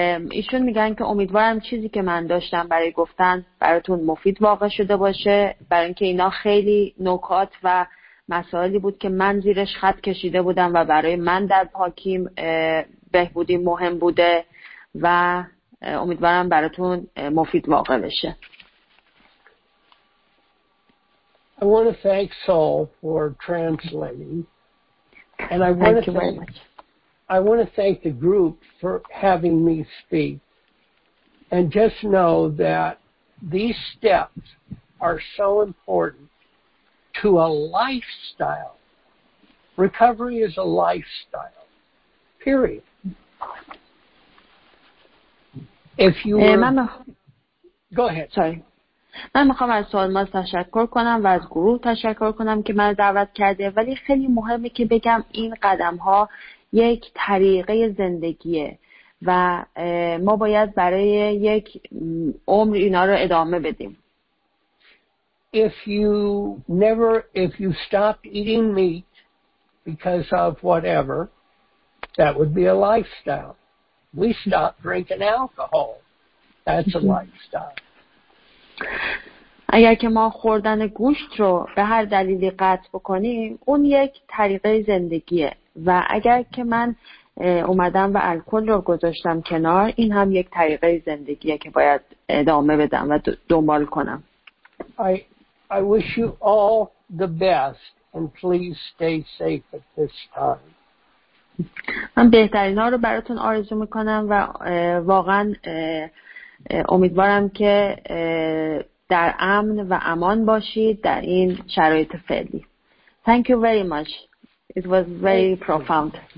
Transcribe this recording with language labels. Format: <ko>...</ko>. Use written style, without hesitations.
<fa>ایشون میگن که امیدوارم چیزی که من داشتم برای گفتن براتون مفید واقع شده باشه، برای اینکه اینا خیلی نکات و مسائلی بود که من زیرش خط کشیده بودم و برای من در پاکیم بهبودی مهم بوده و امیدوارم براتون مفید واقع بشه.</fa> <en>I want to thank Saul for translating. And I want to thank the group for having me speak. And just know that these steps are so important to a lifestyle. Recovery is a lifestyle. Period. If you were... Go ahead. Sorry.</en> <fa>من میخوام از سالماز تشکر کنم و از گروه تشکر کنم که من دعوت کرده، ولی خیلی مهمه که بگم این قدم ها یک طریقه زندگیه و ما باید برای یک عمر اینا رو ادامه بدیم.</fa> <en>If you stop eating meat because of whatever, that would be a lifestyle. We stop drinking alcohol. That's a lifestyle.</en> <fa>اگر که ما خوردن گوشت رو به هر دلیلی قطع بکنیم، اون یک طریقه زندگیه و اگر که من اومدم و الکل رو گذاشتم کنار، این هم یک طریقه زندگیه که باید ادامه بدم و دنبال کنم.</fa> <en>I wish you all the best and please stay safe at this time.</en> <fa>من بهترین ها رو براتون آرزو میکنم و واقعا امیدوارم که در امن و امان باشید در این شرایط فعلی.</fa> <en>Thank you very much. It was very profound.</en>